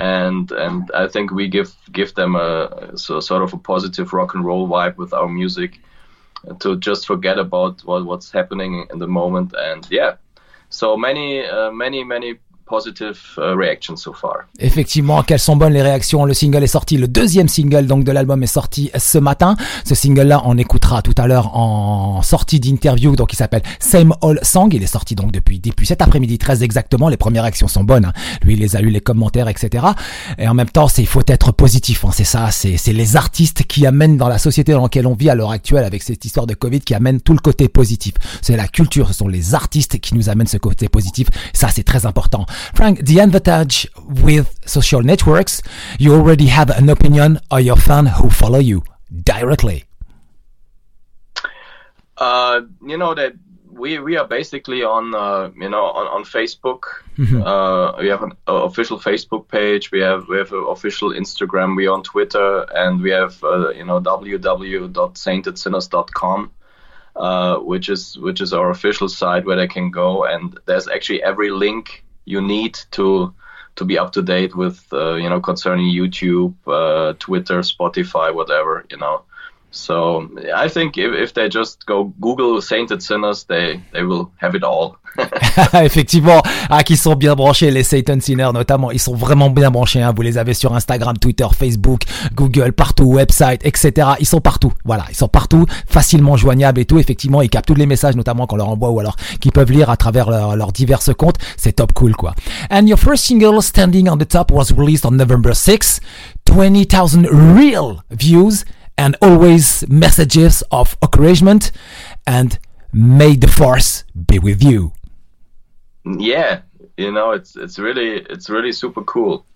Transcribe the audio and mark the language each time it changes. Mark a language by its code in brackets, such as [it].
[en] And I think we give them a sort of a positive rock and roll vibe with our music to just forget about what's happening in the moment. And yeah, so many positive reactions so far. [fr] Effectivement, quelles sont bonnes les réactions. Le single est sorti, le deuxième single donc de l'album est sorti ce matin. Ce single là on écoutera tout à l'heure en sortie d'interview, donc il s'appelle Same Old Song. Il est sorti donc depuis cet après-midi, 13 exactement. Les premières réactions sont bonnes, hein. Lui il les a eu, les commentaires, etc. Et en même temps, il faut être positif, hein. C'est ça, c'est les artistes qui amènent dans la société dans laquelle on vit à l'heure actuelle avec cette histoire de Covid, qui amènent tout le côté positif. C'est la culture, ce sont les artistes qui nous amènent ce côté positif. Ça c'est très important. [en] Frank, the advantage with social networks, you already have an opinion of your fan who follow you directly. You know that we are basically on on Facebook. Mm-hmm. We have an official Facebook page. We have an official Instagram. We're on Twitter, and we have www.saintedsinners.com. which is our official site where they can go, and there's actually every link you need to be up to date with, concerning YouTube, Twitter, Spotify, whatever, you know. So I think if they just go Google Sainted Sinners, they will have it all. [fr] Effectivement, qui sont bien branchés, les Satan Sinners notamment, ils sont vraiment bien branchés, hein. Vous les avez sur Instagram, Twitter, Facebook, Google, partout, website, etc. Ils sont partout, voilà, ils sont partout, facilement joignables et tout. Effectivement, ils captent tous les messages notamment qu'on leur envoie, ou alors qu'ils peuvent lire à travers leurs divers comptes. C'est top cool, quoi. [en] And your first single, Standing on the Top, was released on November 6th. 20,000 real views and always messages of encouragement, and may the force be with you. Yeah, you know, it's really super cool.